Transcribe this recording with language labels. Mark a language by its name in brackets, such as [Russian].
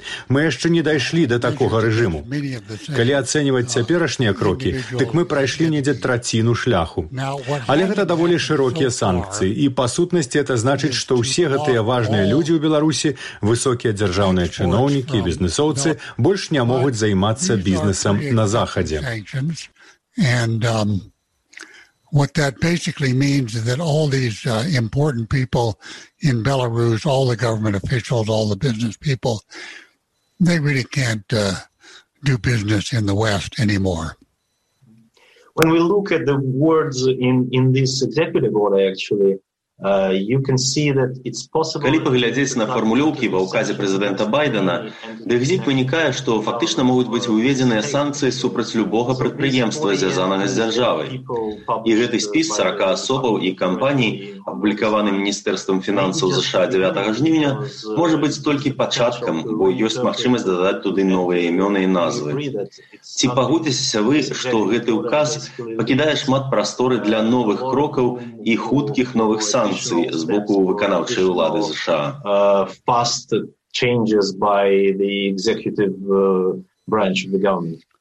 [Belarusian] Мы яшчэ не дайшлі да такога рэжыму. Калі ацэньваць цяперашнія крокі, дык мы прайшлі недзе траціну шляху. Але гэта даволі шырокія санкцыі, і па сутнасці гэта значыць, што ўсе гэтыя важныя людзі ў Беларусі, высокія дзяржаўныя чыноўнікі і бізнэсоўцы, больш не могуць займацца бізнесам на Захадзе. [English] And what that basically means is that all these important people in Belarus, all the government officials, all the business people, they really can't do business in the West anymore. When we look at the words in this executive order, actually, you can see that it's possible. [Belarusian] Калі паглядзець на фармулёўкі ва ўказе прэзідэнта Байдэна, дык з іх вынікае, што фактычна могуць быць уведзеныя санкцыі супраць любога прадпрыемства, звязанага з дзяржавай. І гэты спіс 40 асобаў і кампаній, апублікаваны Міністэрствам фінансаў ЗША 9 жніўня, можа быць толькі пачаткам, бо ёсць магчымасць дадаць туды новыя імёны і назвы. Ці пагодзіцеся вы, што гэты ўказ пакідае шмат прасторы для новых крокаў і хуткіх новых санкцій з боку выканаўчай улады ЗША? [English] Fast changes by the executive branch of the government.